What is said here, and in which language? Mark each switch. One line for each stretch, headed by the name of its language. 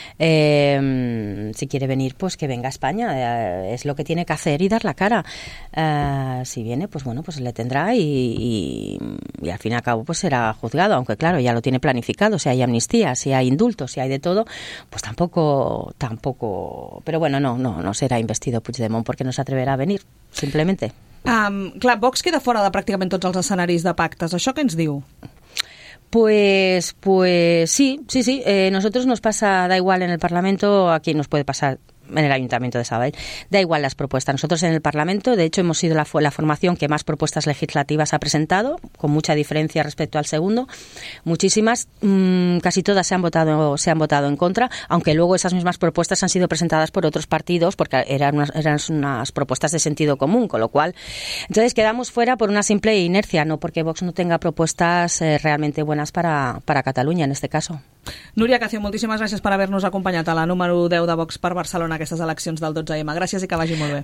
Spanish: Si quiere venir, pues que venga a España. Es lo que tiene que hacer y dar la cara. Si viene, pues bueno, pues le tendrá y al fin y al cabo pues será juzgado. Aunque claro, ya lo tiene planificado. Si hay amnistía, si hay indultos, si hay de todo, pues tampoco... Pero bueno, no será investido Puigdemont porque no se atreverá a venir, simplemente.
Catalan: Clar, Vox queda fora de pràcticament tots els escenaris de pactes. ¿Això què ens diu?
Spanish: Pues sí. Nosotros nos pasa, da igual en el Parlamento, aquí nos puede pasar en el Ayuntamiento de Sabadell, da igual las propuestas. Nosotros en el Parlamento, de hecho, hemos sido la formación que más propuestas legislativas ha presentado, con mucha diferencia respecto al segundo. Muchísimas, casi todas se han votado en contra, aunque luego esas mismas propuestas han sido presentadas por otros partidos, porque eran unas propuestas de sentido común, con lo cual, entonces quedamos fuera por una simple inercia, no porque Vox no tenga propuestas realmente buenas para Cataluña en este caso. Núria Cacio, moltíssimes gràcies per haver-nos acompanyat a la número 10 de Vox per Barcelona, aquestes eleccions del 12M. Gràcies i que vagi molt bé.